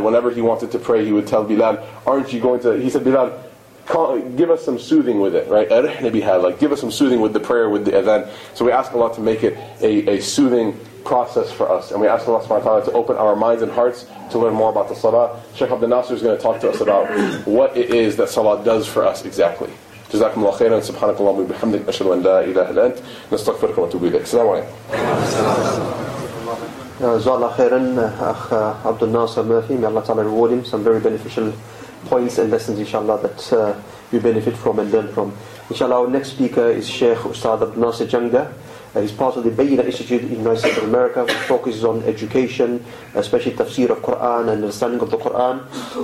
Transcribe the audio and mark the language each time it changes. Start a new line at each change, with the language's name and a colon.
English: Whenever he wanted to pray, he would tell Bilal, "Aren't you going to?" He said, "Bilal, give us some soothing with it, right? Arihna biha, like give us some soothing with the prayer, with the event." So we ask Allah to make it a soothing process for us, and we ask Allah subhanahu wa ta'ala to open our minds and hearts to learn more about the salah. Sheikh Abdul Nasir is going to talk to us about what it is that salah does for us exactly.
Arabic: جزاكم الله خيرا سبحانك اللهم وبحمدك أشهد أن لا إله إلا أنت نستغفرك ونتوب إليك. السلام عليكم. جزاك الله خيرا أخ عبد الناصر مرفي.
English: May Allah Ta'ala reward him. Some very beneficial points and lessons, inshallah, that you benefit from and learn from. Inshallah, our next speaker is Sheikh Ustad Abdul Nasir Janga. He's part of the Bayna Institute in the United States of America, which focuses on education, especially tafsir of Quran and understanding of the Quran.